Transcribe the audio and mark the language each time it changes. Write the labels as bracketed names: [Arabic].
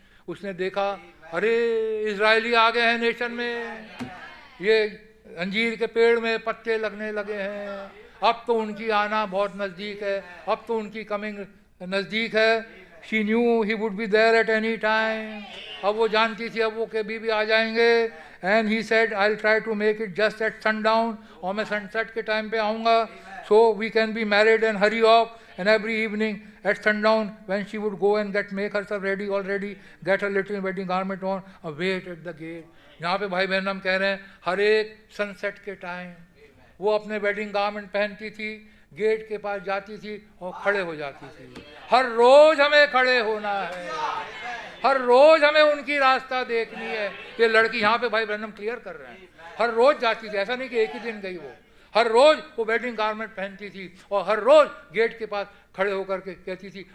[Hindi] उसने देखा अरे इसराइली आ गए हैं नेशन में, ये अंजीर के पेड़ में पत्ते लगने लगे हैं, अब तो उनकी आना बहुत नज़दीक है, अब तो उनकी कमिंग नज़दीक है. [English] She knew he would be there at any time. [Hindi] अब वो जानती थी अब वो कभी भी आ जाएंगे. [English] and he said I will try to make it just at sundown, [Hindi] और मैं सनसेट के टाइम पे आऊँगा [English] So we can be married and hurry off. And every evening at sundown, when she would go and get make herself ready already, get her little wedding garment on, wait at the gate. [Hindi] यहाँ पे भाई बहन हम कह रहे हैं हर एक sunset के time, वो अपने wedding garment पहनती थी, गेट के पास जाती थी और खड़े हो जाती थी. हर रोज हमें खड़े होना है, हर रोज हमें उनकी रास्ता देखनी है. ये लड़की यहाँ पे भाई बहन हम क्लियर कर रहे हैं, हर रोज जाती थी, ऐसा नहीं कि एक ही दिन गई वो, हर रोज वो वेडिंग गारमेंट पहनती थी और हर रोज गेट के पास खड़े होकर के कहती थी.